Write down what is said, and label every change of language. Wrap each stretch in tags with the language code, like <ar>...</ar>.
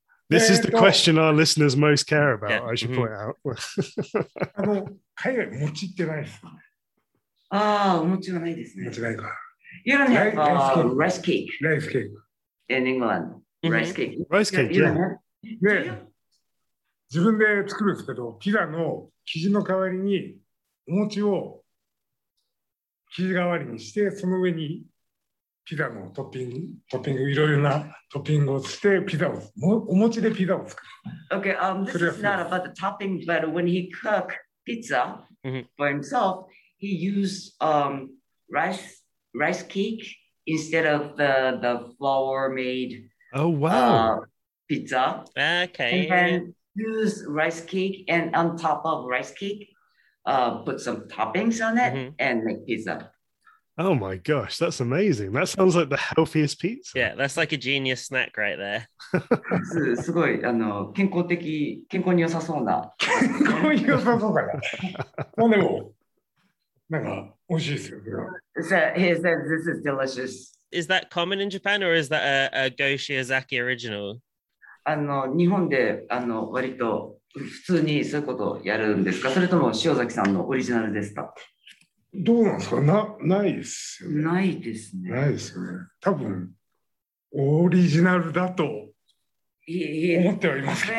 <en>This is the question our listeners most care about, I should point out.</en> <ja>海外餅ってないですか？ああ、お餅はないですね。間違いか。</ja> <en>You don't have rice cake. Rice cake. In England. Rice cake. Rice cake, yeah.</en> <ja>で、自分で作るんですけど、ピザの生地の代わりにお餅を生地代わりにして、その上にピザのトッピング、いろいろなトッピングをして、ピザを、お餅でピザを作る。</ja> <en>Okay, this is not about the topping, but when he cooked pizza for himself, he used rice cake instead of the flour made pizza. Okay. And then use rice cake and on top of rice cake, put some toppings on it and make pizza. Oh my gosh, that's amazing. That sounds like the healthiest pizza. Yeah, that's like a genius snack right there.</en> <ja>すごい、健康に良さそうな。健康に良さそうかな。何でも、なんか美味しいですよ。</ja> <en>He said this is delicious. Is that common in Japan or is that a Go Shiozaki original?</en> <ja>日本で割と普通にそういうことをやるんですか？それとも塩崎さんのオリジナルですか？どうなんですか？ないですよね。ないですね。ないですよね。多分オリジナルだと思ってはいますけど。</ja>